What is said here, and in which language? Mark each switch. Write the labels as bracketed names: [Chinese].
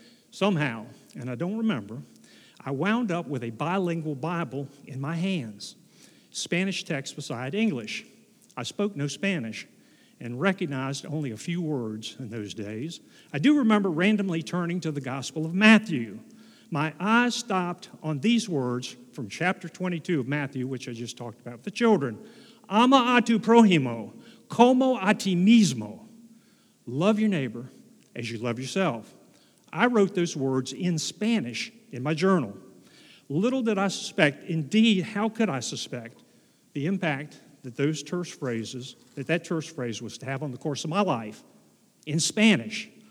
[English] Somehow, and I don't remember, I wound up with a bilingual Bible in my hands, Spanish text beside English. I spoke no Spanish and recognized only a few words in those days. I do remember randomly turning to the Gospel of Matthew. My eyes stopped on these words from chapter 22 of Matthew, which I just talked about with the children. [Spanish] Ama a tu prójimo como a ti mismo. [English] Love your neighbor as you love yourself. I wrote those words in Spanish in my journal. Little did I suspect, indeed, how could I suspect, the impact that those terse phrases, that terse phrase was to have on the course of my life in Spanish.